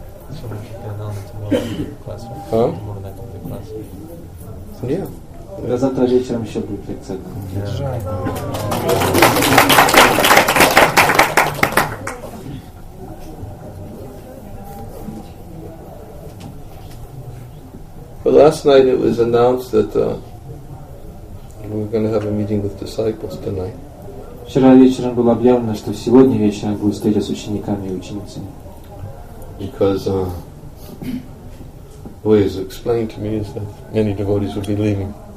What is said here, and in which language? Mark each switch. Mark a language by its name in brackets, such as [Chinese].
[English] So we can get on tomorrow in the classroom. Huh? Tomorrow night in the classroom. Yeah. [Russian] До завтра вечером еще будет лекция. [English] But last night it was announced that we're going to have a meeting with disciples tonight. [Russian] Вчера вечером было объявлено, что сегодня вечером будет встреча с учениками и ученицами. [English] Because what is explained to me is that many devotees will be leaving.